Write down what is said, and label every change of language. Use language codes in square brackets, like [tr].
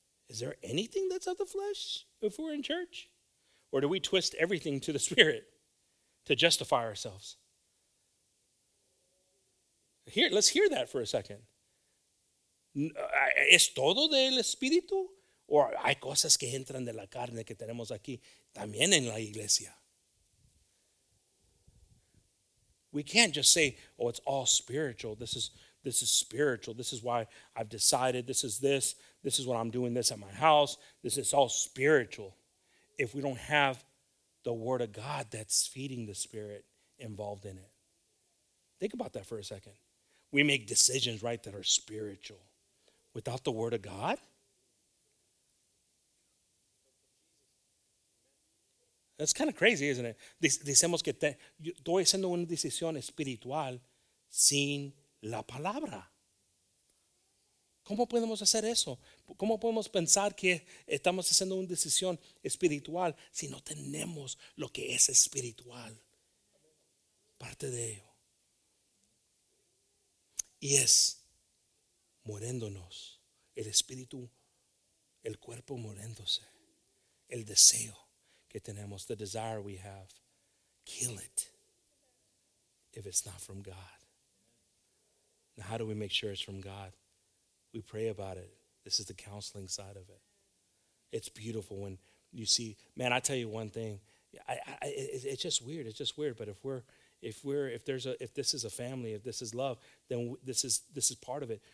[en] Is there anything that's of the flesh if we're in church? Or do we twist everything to the spirit to justify ourselves? Here, let's hear that for a second. [es] ¿Es todo del espíritu? ¿O hay cosas que entran de la carne que tenemos aquí también en la iglesia? [en] We can't just say, oh, it's all spiritual. This is spiritual. This is why I've decided. This is what I'm doing this at my house. This is all spiritual. If we don't have the word of God that's feeding the spirit involved in it. Think about that for a second. We make decisions, right, that are spiritual. Without the word of God? That's kind of crazy, isn't it? [es] Decimos que estoy haciendo una decisión espiritual sin la palabra. ¿Cómo podemos hacer eso? ¿Cómo podemos pensar que estamos haciendo una decisión espiritual si no tenemos lo que es espiritual? Parte de ello. Y es muriéndonos, el espíritu, el cuerpo muriéndose, el deseo que tenemos, [en] the desire we have, kill it if it's not from God. Now, how do we make sure it's from God? We pray about it. This is the counseling side of it. It's beautiful when you see, man, I tell you one thing, it's just weird, but if this is a family, if this is love, then this is part of it.